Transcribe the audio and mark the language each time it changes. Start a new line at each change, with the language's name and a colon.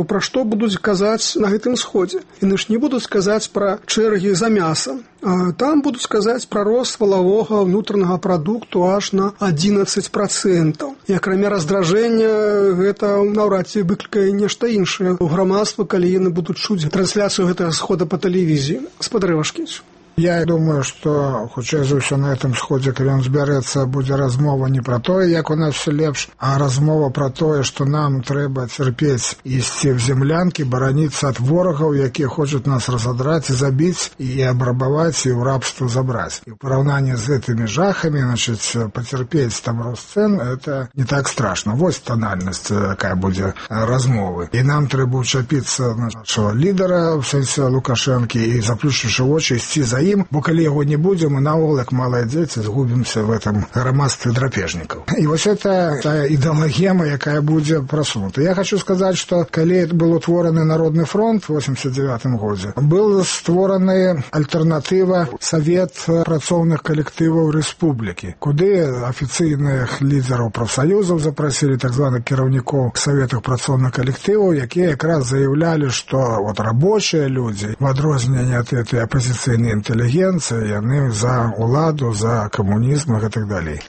Belarusian: Бо пра што будуць казаць на гэтым сходзе? Яны ж не будуць казаць пра чэргі за мясам. Там будуць казаць пра рост валавога ўнутранага прадукту аж на 11%. І акрамя раздражэння, гэта наўрад ці выклікае нешта іншае ў грамадства, калі яны будуць чуць трансляцыю гэтага схода па тэлевізіі. Спадар Івашкевіч.
Russian: Я думаю, что,
Belarusian: хоча за все
Russian: на этом сходе, когда он сберется, будет размова не про то, как у нас все лепше, а размова про то, что нам треба терпеть исти в землянки, борониться от ворогов, которые хотят нас разодрать и забить, и обрабовать, и в рабство забрать. И в сравнении с этими жахами, значит, потерпеть там рост цен, это не так страшно. Вот тональность, какая будет размовы. И нам треба учапиться нашего лидера, в сенсе Лукашенко, и заплющивши очи, исти за
Belarusian: сваім, бо калі яго не будзе, мы наогул як малыя дзеці згубімся
Russian: в этом
Belarusian: грамадстве драпежнікаў. І вось это тая ідэалагема, якая будзе прасунута. Я хочу сказаць, што калі был утвораны Народны фронт у 89 годзе, был створаны альтэрнатыва Савет працоўных калектываў Рэспублікі, куды афіцыйных лідараў прафсаюзаў запрасілі, так званых кіраўнікоў Савета працоўных калектываў, якія якраз заявлялі, што
Russian: вот рабочыя людзі,
Belarusian: в адрозненне ад
Russian: этой апазіцыйнай інтэлігенцыі,
Belarusian: яны за ўладу, за камунізм і так далей.